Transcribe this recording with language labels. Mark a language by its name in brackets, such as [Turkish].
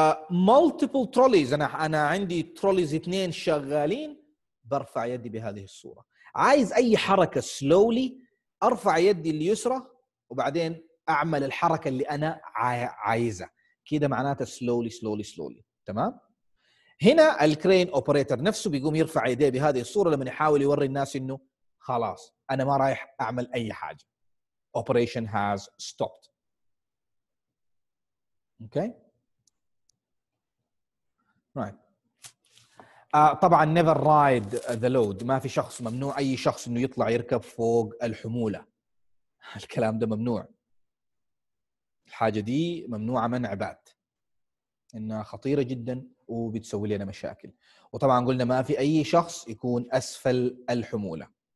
[Arabic] multiple trolleys, أنا عندي trolleys اثنين شغالين, برفع يدي بهذه الصورة. عايز أي حركة slowly, أرفع يدي اليسرى وبعدين أعمل الحركة اللي أنا عايزة. كده معناته [English] slowly, slowly, slowly. [Arabic] تمام؟ هنا الكرين أوبريتر نفسه بيقوم يرفع يديه بهذه الصورة لما يحاول يوري الناس إنه خلاص أنا ما رايح أعمل أي حاجة. [English] Operation has stopped. Okay. Right. [Arabic] طبعاً [English] never ride the load. [Arabic] ما في شخص ممنوع أي شخص إنه يطلع يركب فوق الحمولة. الكلام ده ممنوع. الحاجة دي ممنوعة منع بات. إنها خطيرة جداً وبتسوي لنا مشاكل. وطبعاً قلنا ما في أي شخص يكون أسفل الحمولة.